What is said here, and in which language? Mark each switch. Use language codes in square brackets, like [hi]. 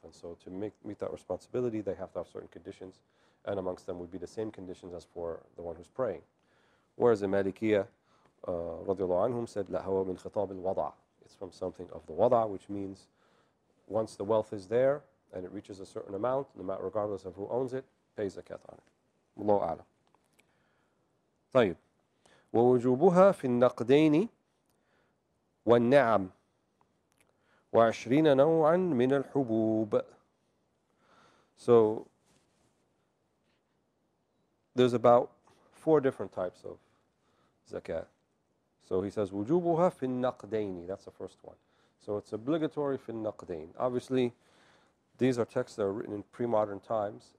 [en] And so to meet that responsibility, they have to have certain conditions. And amongst them would be the same conditions as for the one who's praying. Whereas the Malikiyya, radiallahu anhum, said, [ar] لَهَوَ مِنْ خِطَابِ الْوَضَعِ. [en] It's from something of the wada, which means once the wealth is there and it reaches a certain amount, no matter, regardless of who owns it, pays zakat on it. [ar] Allahu a'lam. طيب. وَوَجُوبُهَا فِي النَّقْدَيْنِ والنعم وعشرين نوعا من الحبوب. [en] So there's about four different types of zakat. So he says [ar] وجوبها في النقدين. [en] That's the first one. So it's obligatory [ar] في النقدين. [en] Obviously, these are texts that are written in pre-modern times.